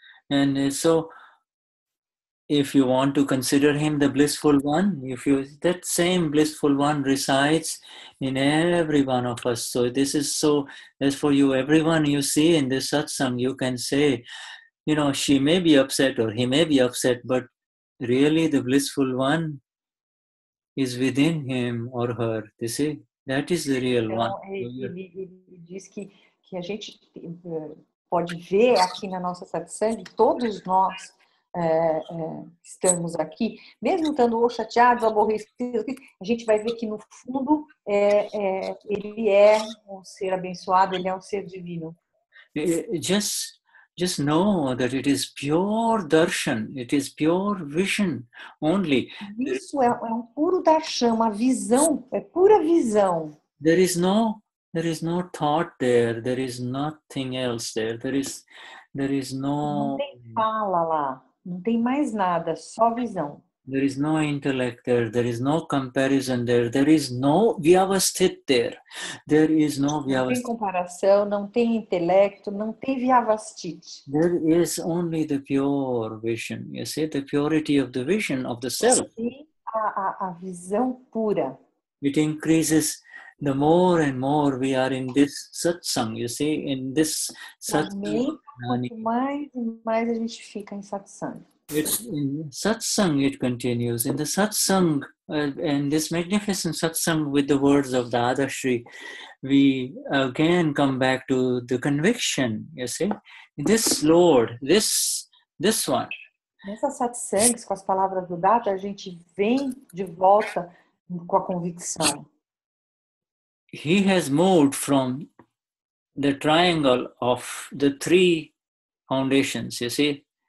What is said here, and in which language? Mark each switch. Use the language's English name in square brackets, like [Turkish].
[English] And so, if you want to consider him the blissful one, if you, that same blissful one resides in every one of us. So this is so, as for you, everyone you see in this satsang, you can say, you know, she may be upset or he may be upset, but really, the blissful one is within him or her. You see, that is the real one. [Portuguese] Ele diz que a gente pode ver aqui na nossa satsang, todos nós estamos aqui, mesmo estando ou chateados, aborrecidos, a gente vai ver que no fundo ele é um ser abençoado, ele é um ser divino. [English] Just know that it is pure darshan, it is pure vision only. [Portuguese] Isso é um puro darshan, uma visão, é pura visão. [English] There is no thought there, there is nothing else there, there is no... [Portuguese] Não tem fala lá, não tem mais nada, só visão. [English] There is no intellect there is no comparison there is no vyavasthit there is no vyavasthit. [Portuguese] Não tem comparação, não tem intelecto, não tem vyavasthit. [English] There is only the pure vision, you see, the purity of the vision of the self. [Portuguese] A visão pura. [English] It increases the more and more we are in this satsang, you see, in this satsang. [Portuguese] Quanto mais e mais a gente fica em satsang. [English] It's in satsang it continues. In the satsang, and this magnificent satsang with the words of Dada Shri, we again come back to the conviction, you see. This Lord, this one. [Portuguese] Nessa satsang, com as palavras do Dada, a gente vem de volta com a convicção. [English] He has moved from the triangle of the three foundations, you see.